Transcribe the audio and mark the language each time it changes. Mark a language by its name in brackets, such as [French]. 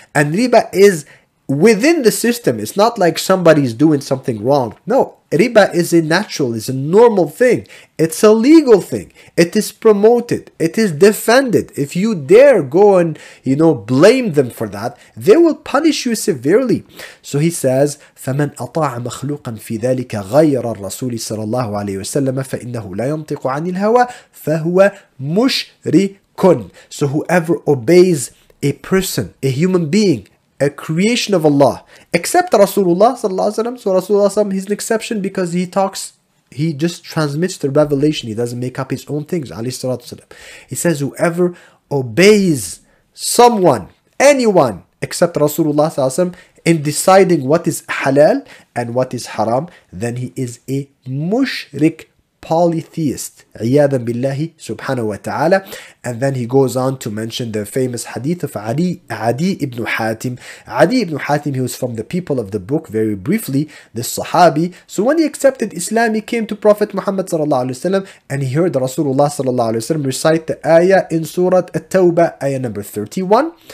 [English] And riba is within the system. It's not like somebody is doing something wrong. No, riba is a natural, it's a normal thing. It's a legal thing. It is promoted. It is defended. If you dare go and, you know, blame them for that, they will punish you severely. So he says, [Arabic] فَمَنْ أَطَاعَ مَخْلُوقًا فِي ذَلِكَ غَيْرَ الرَّسُولِ صَلَى اللَّهُ عَلَيْهِ وَسَلَّمَ فَإِنَّهُ لَا يَنْطِقُ عَنِ الْهَوَى فَهُوَ مُشْرِكٌ. [English] So whoever obeys a person, a human being, a creation of Allah, except Rasulullah sallallahu alaihi wasallam. So Rasulullah sallam, he's an exception because he talks, he just transmits the revelation. He doesn't make up his own things. Ali sallallahu alaihi wasallam. He says, whoever obeys someone, anyone, except Rasulullah sallallahu alaihi wasallam, in deciding what is halal and what is haram, then he is a mushrik, polytheist, [Arabic] عياذا بالله سبحانه وتعالى. [English] And then he goes on to mention the famous hadith of Adi ibn Hatim. Adi ibn Hatim, he was from the people of the book, very briefly, this Sahabi. So when he accepted Islam, he came to Prophet Muhammad sallallahu alayhi wa sallam, and he heard Rasulullah sallallahu alayhi wa sallam recite the ayah in Surah At-Tawbah, ayah number 31.